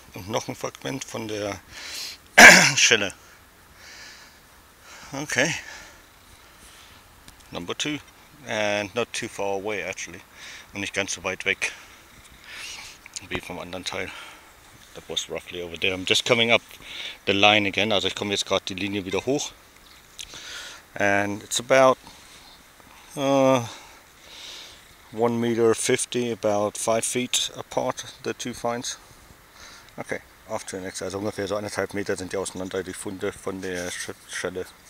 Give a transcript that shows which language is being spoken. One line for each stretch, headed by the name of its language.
German: Und noch ein Fragment von der Schelle. Okay.
English: Number two. And not too far away actually.
German: Und nicht ganz so weit weg wie vom anderen Teil.
English: That was roughly over there. I'm just coming up the line again.
German: Also ich komme jetzt gerade die Linie wieder hoch.
English: And it's about 1.50 meter, about 5 feet apart, the two finds. Okay, off to the next.
German: Also ungefähr so 1,5 meter sind die auseinander, die Funde von der Schelle.